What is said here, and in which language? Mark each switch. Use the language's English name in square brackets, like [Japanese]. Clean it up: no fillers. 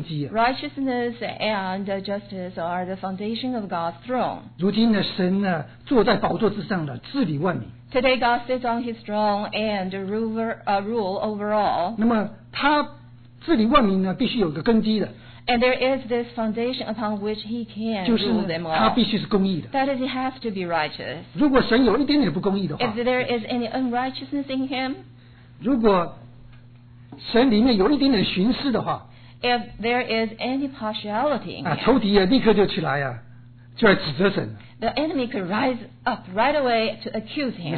[English] righteousness and justice are the foundation of God's throne. [Chinese] 如今呢, 神呢, 坐在宝座之上了, 治理万民。 [English] Today God sits on his throne and rule over all. [Chinese] 那么他治理万民呢, 必须有个根基的。 [English] And there is this foundation upon which he can rule them all. That is, he has to be righteous. [Chinese] 如果神有一点点不公义的话, [English] if there is any unrighteousness in him, [Chinese] 如果神里面有一点点徇私的话, [English] if there is any partiality in him, [Chinese] 仇敌立刻就起来啊, 就来指责神, [English] the enemy could rise up right away to accuse him.